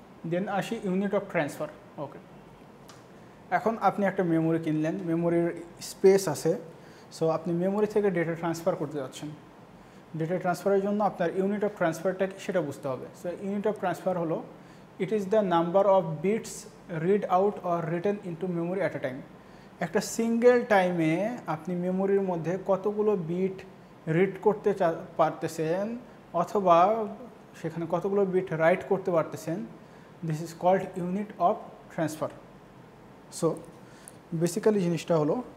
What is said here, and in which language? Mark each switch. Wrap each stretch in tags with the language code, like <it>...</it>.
<bn>দেন আসি unit of transfer. ওকে, এখন আপনি একটা মেমোরি কিনলেন, মেমোরির স্পেস আছে, সো আপনি মেমোরি থেকে ডেটা ট্রান্সফার করতে যাচ্ছেন. ডেটা ট্রান্সফারের জন্য আপনার ইউনিট অফ ট্রান্সফারটা কি সেটা বুঝতে হবে. সো ইউনিট অফ ট্রান্সফার হলো</bn> <en>it is the number of bits read out or written into memory at a time.</en> <bn>একটা সিঙ্গেল টাইমে আপনি মেমোরির মধ্যে কতগুলো বিট রিড করতে পারতেছেন অথবা সেখানে কতগুলো বিট রাইট করতে পারতেছেন,</bn> <en>This is called unit of transfer.</en> <bn>So basically জিনিসটা হলো</bn>